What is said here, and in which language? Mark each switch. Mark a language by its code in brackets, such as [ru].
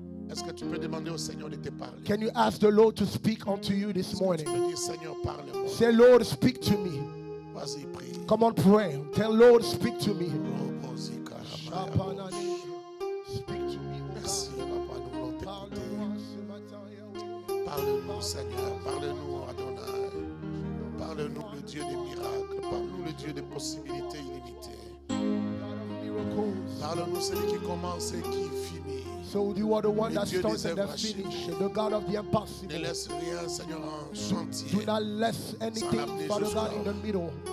[fr] Est-ce que tu peux demander au Seigneur de te parler? [en] Can you ask the Lord to speak unto you this morning? [fr] Tu peux dire, Seigneur, parle-moi. [en] Say, Lord, speak to me. [fr] Vas-y, prie. [en] Come on, pray. Tell Lord, speak to me. Speak to me. [fr] Merci, papa, nous voulons t'écouter. Parle-nous, Seigneur. Parle-nous, Adonai. Parle-nous, le Dieu des miracles. Parle-nous, le Dieu des possibilités illimitées. Parle-nous, celui qui commence et qui finit. [en] So you are the one that starts and that finishes, the God of the impossible. [fr] Ne laisse rien, Seigneur, en chantier. [en] Do not let anything, Father God, in the middle.